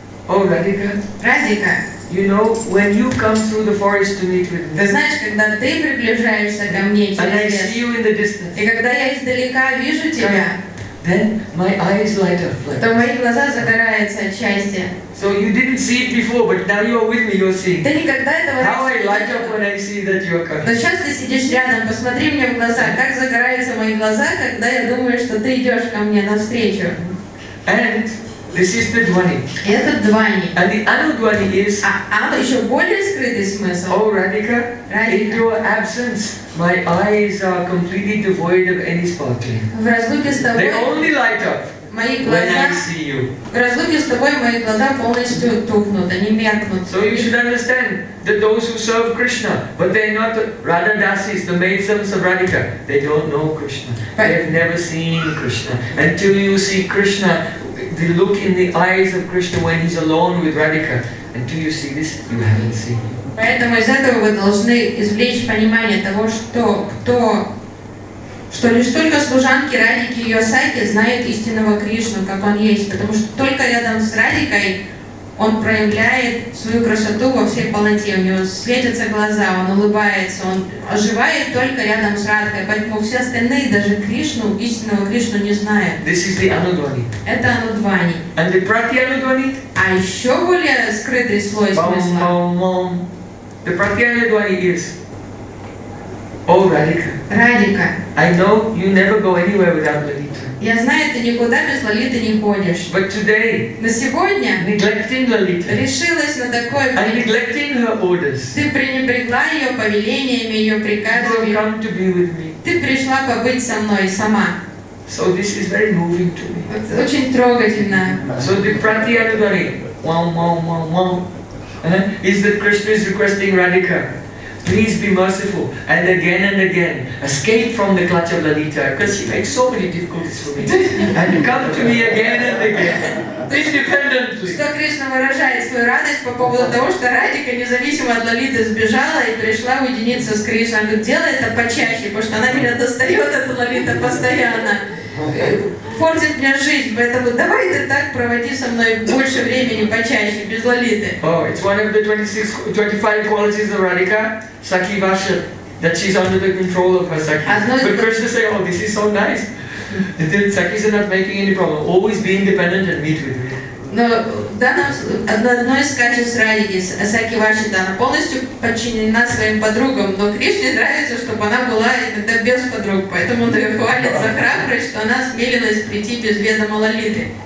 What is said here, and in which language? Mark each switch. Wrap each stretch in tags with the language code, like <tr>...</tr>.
<en>Oh, Radhika.</en> <ru>Радика.</ru> <en>You know, when you come through the forest to meet with me.</en> <ru>Ты знаешь, когда ты приближаешься ко мне через лес.</ru> <en>And I see you in the distance.</en> <ru>И когда я издалека вижу тебя.</ru> <en>Then my eyes light up.</en> <ru>То мои глаза загораются от счастья.</ru> <en>So you didn't see it before, but now you are with me, you are seeing.</en> <ru>Ты никогда этого не</ru> <en>видел. How I light up when I see that you are coming.</en> <ru>Но сейчас ты сидишь рядом, посмотри мне в глаза, как загораются мои глаза, когда я думаю, что ты идешь ко мне навстречу.</ru> <en>And this is the dvani.</en> <ru>Это dvani.</ru> <en>And the other dvani is.</en> <ru>А еще более скрытый смысл.</ru> <en>Oh, Radhika.</en> <ru>Radhika.</ru> <en>In your absence, my eyes are completely devoid of any sparkling.</en> <ru>В разлуке с тобой.</ru> <en>They only light up.</en> <ru>Мои глаза,</ru> <en>when I see you.</en> <ru>В разлуке с тобой мои глаза полностью тухнут, они меркнут.</ru> <en>So you should understand that those who serve Krishna, but they're not Radha Dasis, the maidservants of Radhika, they don't know Krishna. They have never seen Krishna. Until you see Krishna, the look in the eyes of Krishna when he's alone with Radhika, until you see this, you haven't seen him.</en> <ru>Поэтому из этого вы должны извлечь понимание того, что лишь только служанки Радики и Йосаки знают истинного Кришну, как он есть, потому что только рядом с Радикой Он проявляет свою красоту во всей полноте. У него светятся глаза, он улыбается, он оживает только рядом с Радхой. Поэтому все остальные, даже Кришну, истинного Кришну, не знают.</ru> <en>This is the Anudvani.</en> <ru>Это Анудвани.</ru> <en>And the Pratyanudvani?</en> <ru>А еще более скрытый слой смысла.</ru> <en>Бам-бам-бам. The Pratyanudvani is... Oh, Radhika.</en> <ru>Radhika.</ru> <en>I know you never go anywhere without Lalita.</en> <ru>Я знаю, ты никуда без Лолиты не ходишь.</ru> <en>But today,</en> <ru>но сегодня решилась на такое повеление. Ты пренебрегла ее повелениями, ее приказами.</ru> <en>You come to be with me.</en> <ru>Ты пришла побыть со мной сама.</ru> <en>So this is very moving to me.</en> <ru>Вот, очень трогательно.</ru> <en>So the Pratyanudvani, is that Krishna is requesting Radhika. Please be merciful and again escape from the clutch of Lalita because she makes so many difficulties for me and come to me again and again independently.</en> <ru>Что Кришна выражает свою радость по поводу того, что Радика независимо от Лолиты сбежала и пришла уединиться с Кришной. Он говорит, делай это почаще, потому что она меня достает, эта Лолита, постоянно. Портит мне жизнь, поэтому давай ты так проводи со мной больше времени, почаще, без Лолиты.</ru> <en>Oh, it's one of the 25 qualities of Radhika, Sakhi Vasha, that she's under the control of her Sakhi. But Krishna say, oh, this is so nice. Sakhis are not making any problem. Always be independent and meet with me.</en> <ru>Но одно из качеств Радхи, Сакхи Вашита, она полностью подчинена своим подругам, но Кришне нравится, чтобы она была иногда без подруг, поэтому он ее хвалит за храбрость, что она смелилась прийти без ведома Лолиты.</ru>